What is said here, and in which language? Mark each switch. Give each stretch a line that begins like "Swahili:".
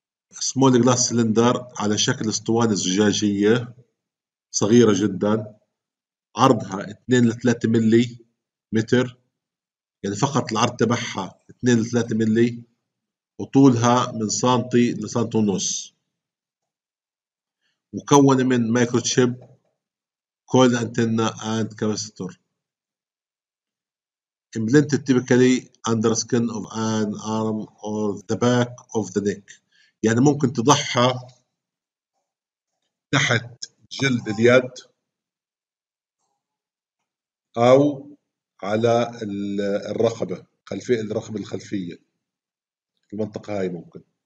English: small glass cylinder
Arabic: على شكل اسطوانة زجاجية صغيرة جدا، عرضها 2 ل 3 ملي متر، يعني فقط العرض تبعها 2 ل 3 ملي، وطولها من سنتي لسنتي ونص، مكونة من
English: Micro chip coil antenna and capacitor. Implanted typically under skin of an arm or the back of the neck.
Arabic: يعني ممكن تضعها تحت جلد اليد أو على الرقبة، خلفية الرقبة الخلفية، في المنطقة هاي ممكن.